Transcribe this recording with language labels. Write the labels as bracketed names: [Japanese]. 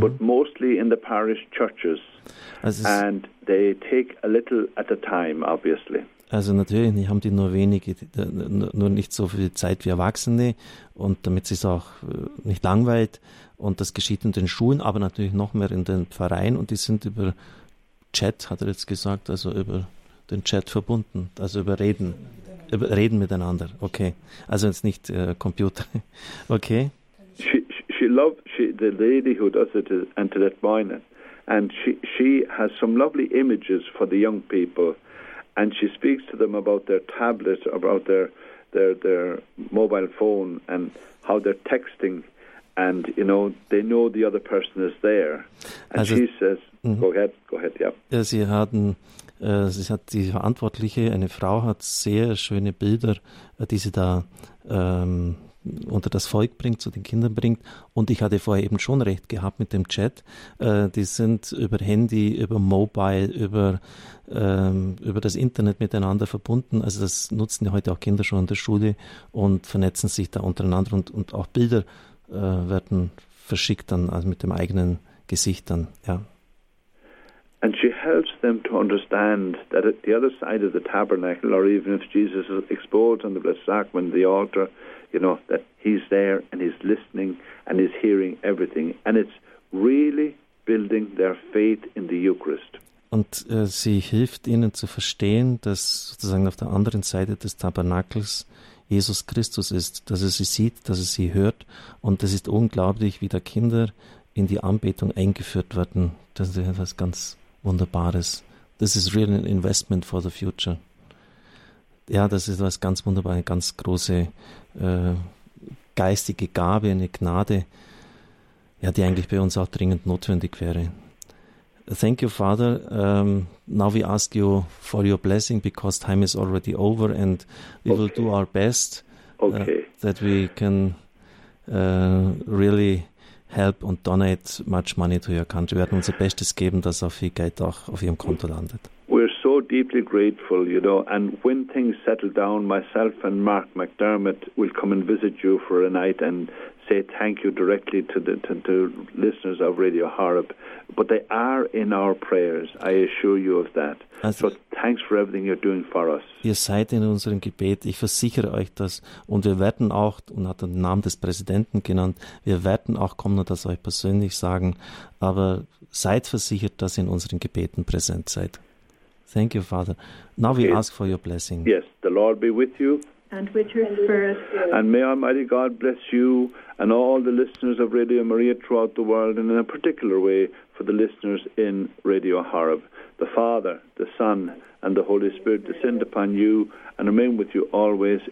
[English] but mostly in the parish churches. And they take a little at a time, obviously. [German] Also natürlich haben die nur nicht so viel Zeit wie Erwachsene, und damit sie es auch nicht langweilt. Und das geschieht in den Schulen, aber natürlich noch mehr in den Pfarreien. Und die sind über Chat, hat er jetzt gesagt, also über den Chat verbunden, also über Reden miteinander, okay. Also jetzt nicht Computer, okay. [English] She loves the lady who does it is Antoinette Boyne, and she has some lovely images for the young people, and she speaks to them about their tablet, about their mobile phone, and how they're texting, and you know, they know the other person is there. And also, she says, go ahead, yeah. [German] Ja, sie hatten... Sie hat die Verantwortliche, eine Frau hat sehr schöne Bilder, die sie da unter das Volk bringt, zu den Kindern bringt. Und ich hatte vorher eben schon recht gehabt mit dem Chat. Die sind über Handy, über Mobile, über das Internet miteinander verbunden. Also das nutzen ja heute auch Kinder schon in der Schule und vernetzen sich da untereinander. Und auch Bilder werden verschickt dann, also mit dem eigenen Gesicht dann, ja. [English] And she helps them to understand that at the other side of the tabernacle, or even if Jesus is exposed on the Blessed Sacrament, the altar, you know, that he's there and he's listening and he's hearing everything. And it's really building their faith in the Eucharist. [German] Und sie hilft ihnen zu verstehen, dass sozusagen auf der anderen Seite des Tabernakels Jesus Christus ist, dass er sie sieht, dass er sie hört. Und es ist unglaublich, wie da Kinder in die Anbetung eingeführt werden. Das ist etwas ganz Wunderbares. [English] This is really an investment for the future. [German] Ja, das ist etwas ganz Wunderbares, eine ganz große geistige Gabe, eine Gnade, ja, die eigentlich bei uns auch dringend notwendig wäre. [English] Thank you, Father. Now we ask you for your blessing, because time is already over and we will do our best that we can really help and donate much money to your country. [German] Wir werden unser Bestes geben, dass auch viel Geld auch auf ihrem Konto landet. [English] We're so deeply grateful, you know, and when things settle down, myself and Mark McDermott will come and visit you for a night and say thank you directly to listeners of Radio Horeb. But they are in our prayers, I assure you of that. So thanks for everything you're doing for us. [German] Ihr seid in unserem Gebet, ich versichere euch das. Und wir werden auch, und hat den Namen des Präsidenten genannt, wir werden auch kommen und das euch persönlich sagen. Aber seid versichert, dass ihr in unseren Gebeten präsent seid. [English] Thank you, Father. Now okay. We ask for your blessing. Yes, the Lord be with you. And with your spirit. And may Almighty God bless you and all the listeners of Radio Maria throughout the world, and in a particular way for the listeners in Radio Horeb. The Father, the Son, and the Holy Spirit descend upon you and remain with you always.